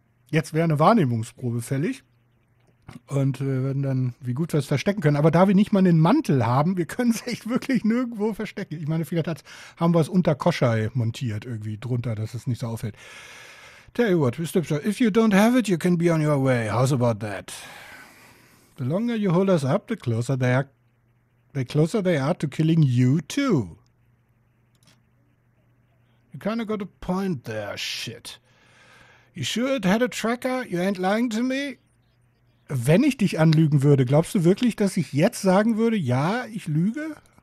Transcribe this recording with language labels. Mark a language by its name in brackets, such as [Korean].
[German] Jetzt wäre eine Wahrnehmungsprobe fällig. Und wir werden dann, wie gut wir es verstecken können. Aber da wir nicht mal einen Mantel haben, wir können es echt wirklich nirgendwo verstecken. Ich meine, vielleicht haben wir es unter Koschei montiert, irgendwie drunter, dass es nicht so auffällt. [English] Tell you what, Mr. Stripshaw, if you don't have it, you can be on your way. How's about that? The longer you hold us up, the closer they are to killing you too. You kind of got a point there, shit. You sure it had a tracker? You ain't lying to me? [German] Wenn ich dich anlügen würde, glaubst du wirklich, dass ich jetzt sagen würde, ja, ich lüge?